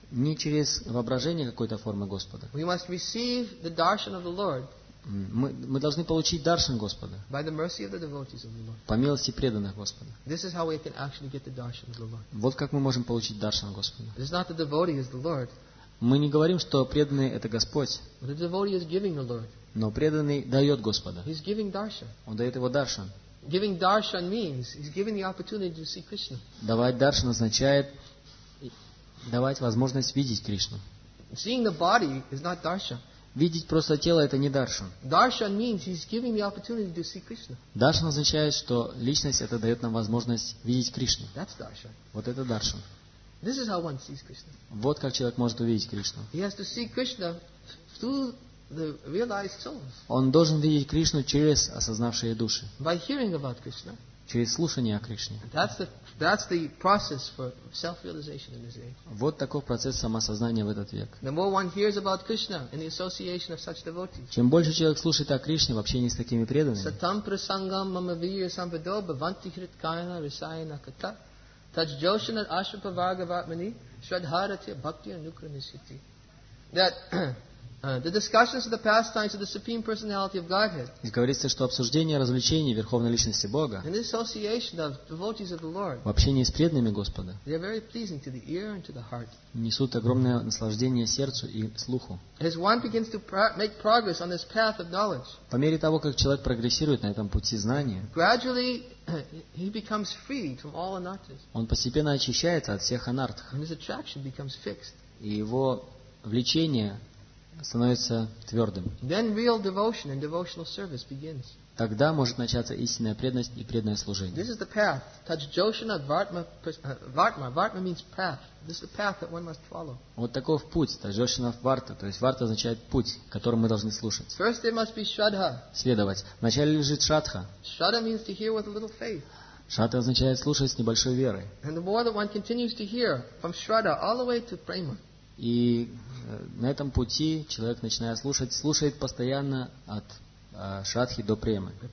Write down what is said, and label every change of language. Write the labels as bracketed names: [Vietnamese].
[Russian] Не через воображение какой-то формы Господа. [English] We must receive the darshan of the Lord. [Russian] Мы должны получить даршан Господа. [English] By the mercy of the devotees of the Lord. [Russian] По милости преданных Господа. [English] This is how we can actually get the darshan of the Lord. [Russian] Вот как мы можем получить даршан Господа. [English] It's not the devotee is the Lord. [Russian] Мы не говорим, что преданный это Господь. [English] But the devotee is giving the Lord. [Russian] Но преданный дает Господа. [English] He's giving darshan. [Russian] Он дает его даршан. [English] Giving darshan means he's giving the opportunity to see Krishna. [Russian] Давать даршан означает давать возможность видеть Кришну. [English] Seeing the body is not darshan. [Russian] Видеть просто тело это не даршан. [English] Darshan means he's giving the opportunity to see Krishna. [Russian] Даршан означает, что личность это дает нам возможность видеть Кришну. [English] That's darshan. [Russian] Вот это даршан. [English] This is how one sees Krishna. [Russian] Вот как человек может увидеть Кришну. [English] He has to see Krishna through the realized souls. [Russian] Он должен видеть Кришну через осознавшие души. [English] By hearing about Krishna. [Russian] Через слушание о Кришне. [English] That's the process for self-realization in this age. [Russian] Вот такой процесс самосознания в этот век. [English] The more one hears about Krishna in the association of such devotees. [Russian] Чем больше человек слушает о Кришне в общении с такими преданными. [Sanskrit] Satam prasangam mama viya sampado bhavanti hrit kaina risaya nakata tach joshana ashrapa vagavatmani shradharatya bhakti anukranisiti. [English] That the discussions of the pastimes of the Supreme Personality of Godhead. [Russian] И говорится, что обсуждение развлечений Верховной Личности Бога. [English] In the association of devotees of the Lord. [Russian] В общении с преданными Господа. [English] They are very pleasing to the ear and to the heart. [Russian] Несут огромное наслаждение сердцу и слуху. [English] As one begins to make progress on this path of knowledge. [Russian] По мере того, как человек прогрессирует на этом пути знания. [English] Gradually he becomes free from all anarthas. [Russian] Он постепенно очищается от всех анартх. [English] And his attraction becomes fixed. [Russian] И его влечение становится твердым. [English] Then real devotion and devotional service begins. [Russian] Тогда может начаться истинная преданность и преданное служение. [English] This is the path. [Sanskrit] Tach joshana vartma, vartma. [English] Vartma means path. This is the path that one must follow. [Russian] Вот таков путь. [Sanskrit] Tach joshana varta. [Russian] То есть варта означает путь, которым мы должны слушать. [English] First there must be shraddha. [Russian] Следовать. Вначале лежит шрадха. [English] Shraddha means to hear with a little faith. [Russian] Шрадха означает слушать с небольшой верой. [English] And the more that one continues to hear from shraddha all the way to prema. [Russian] И на этом пути человек, начиная слушать, слушает постоянно от шрадхи до премы.